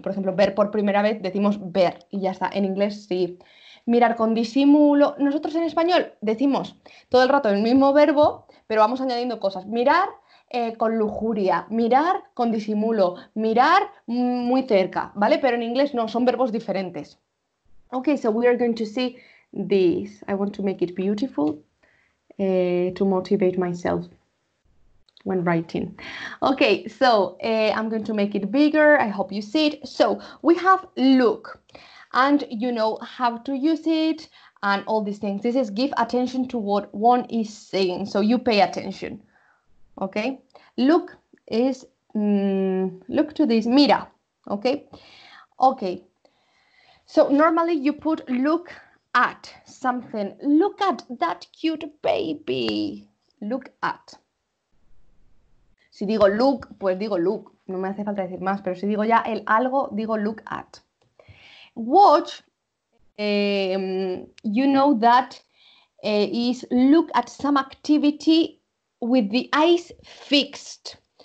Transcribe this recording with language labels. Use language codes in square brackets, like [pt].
[es] Por ejemplo, ver por primera vez decimos ver y ya está. En inglés sí. Mirar con disimulo. Nosotros en español decimos todo el rato el mismo verbo, pero vamos añadiendo cosas. Mirar con lujuria, mirar con disimulo, mirar muy cerca, ¿vale? Pero en inglés no, son verbos diferentes. [en] Ok, so we are going to see this. I want to make it beautiful to motivate myself. When writing. Okay, so I'm going to make it bigger. I hope you see it. So we have look, and you know how to use it and all these things. This is give attention to what one is saying. So you pay attention. Okay, look is look to this. Mira. Okay. Okay. So normally you put look at something. Look at that cute baby. Look at. [es] Si digo look, pues digo look. No me hace falta decir más, pero si digo ya el algo, digo [en] look at. Watch, you know that is look at some activity with the eyes fixed.